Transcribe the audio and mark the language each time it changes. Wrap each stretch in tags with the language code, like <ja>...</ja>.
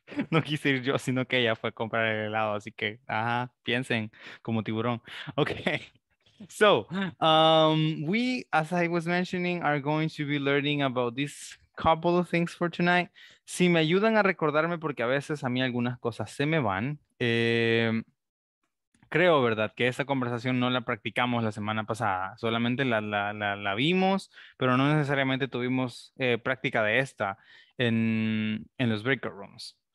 <es>No quise ir yo, sino que ella fue a comprar el helado, así que, ajá, piensen como tiburón.</es> <en>Okay, so we, as I was mentioning, are going to be learning about this couple of things for tonight.</en> <es>Si me ayudan a recordarme, porque a veces a mí algunas cosas se me van. Creo, ¿verdad?, que esta conversación no la practicamos la semana pasada. Solamente la vimos, pero no necesariamente tuvimos práctica de esta en los breakout rooms.</es>